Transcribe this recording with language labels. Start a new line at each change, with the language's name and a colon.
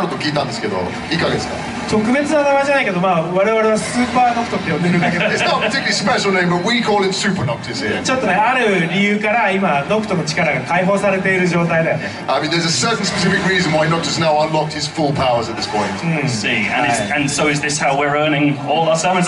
Japanese: ると聞いたんですけど、いかがですか？特別な名前じゃないけど、まあ、我々はスーパーノクトって呼んでるんだけど。
English: It's not a particularly special name, but we call it Super Noctis here.
Japanese: ちょっとね、ある理由から今、ノクトの力が解放されている状態だよね。
English: I mean, there's a certain specific reason why Noctis now unlocked his full powers at this point. Mm, see. And, it's, and so is this how we're earning all our summons?